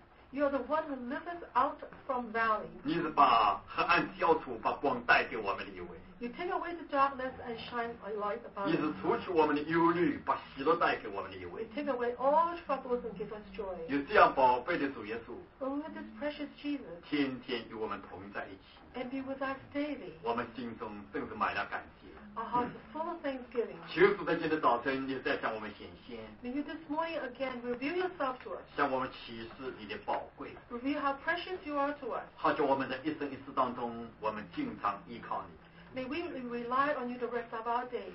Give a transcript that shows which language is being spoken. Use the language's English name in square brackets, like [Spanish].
[English] You are the one who liveth out from valley. [Chinese] 你是把黑暗消除，把光带给我们的一位。 [English] You take away the darkness and shine a light upon us. [Chinese] 你是除去我们的忧虑，把喜乐带给我们的一位。 [English] You take away all troubles and give us joy. [Chinese] 有这样宝贝的主耶稣。 [English] Oh, with this precious Jesus. [Chinese] 天天与我们同在一起。 [English] And be with us daily. [Chinese] 我们心中甚至满了感激。 [English] Our hearts are full of thanksgiving. May you this morning again reveal yourself to us. Reveal how precious you are to us. May we rely on you the rest of our days.